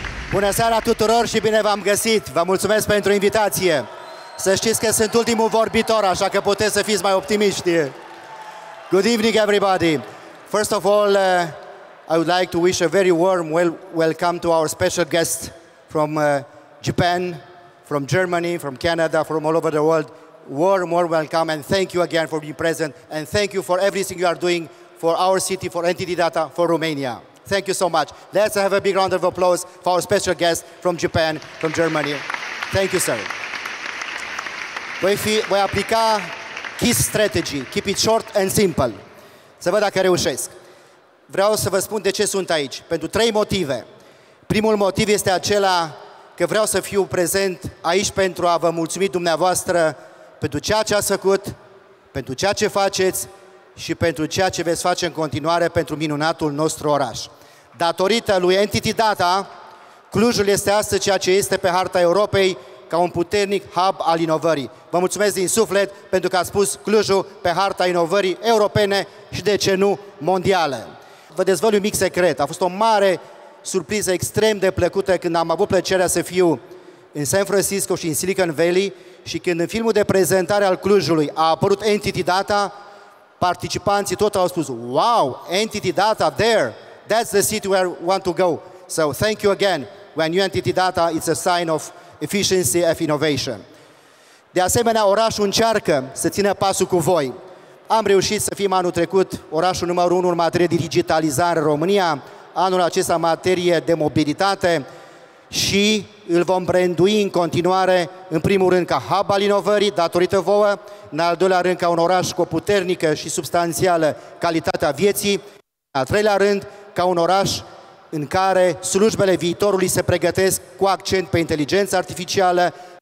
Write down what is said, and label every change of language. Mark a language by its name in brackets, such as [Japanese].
[Romanian] Bună seara tuturor și bine v-am găsit! Vă mulțumesc pentru invitație! Să știți că sunt ultimul vorbitor, așa că puteți să fiți mai optimiști. [English] Good evening, everybody. First of all, I would like to wish a very warm welcome to our special guest from Japan, from Germany, from Canada, from all over the world. Warm, warm welcome, and thank you again for being present, and thank you for everything you are doing for our city, for NTT Data, for Romania. Thank you so much. Let's have a big round of applause for our special guest from Japan, from Germany. Thank you, sir. [Romanian] Voi aplica KISS strategy, [English] keep it short and simple. [Romanian] Să văd dacă reușesc. Vreau să vă spun de ce sunt aici. Pentru trei motive. Primul motiv este acela că vreau să fiu prezent aici pentru a vă mulțumi dumneavoastră pentru ceea ce ați făcut, pentru ceea ce faceți și pentru ceea ce veți face în continuare pentru minunatul nostru oraș. Datorită lui NTT Data, Clujul este astăzi ceea ce este pe harta Europei ca un puternic hub al inovării. Vă mulțumesc din suflet pentru că ați pus Clujul pe harta inovării europene și, de ce nu, mondiale. Vă dezvăluiu un mic secret. A fost o mare surpriză extrem de plăcută când am avut plăcerea să fiu în San Francisco și în Silicon Valley și când în filmul de prezentare al Clujului a apărut NTT Data, participanții tot au spus, [English] wow, NTT Data there, that's the city where we want to go. So thank you again, when you NTT Data, it's a sign of efficiency of innovation. [Romanian] De asemenea, orașul încearcă să țină pasul cu voi. Am reușit să fim anul trecut orașul numărul 1 în materie de digitalizare în România, anul acesta în materie de mobilitate și îl vom brandui în continuare, în primul rând ca hub al inovării, datorită vouă, în al doilea rând ca un oraș cu o puternică și substanțială calitate a vieții, în al treilea rând ca un oraș în care slujbele viitorului se pregătesc cu accent pe inteligența artificială,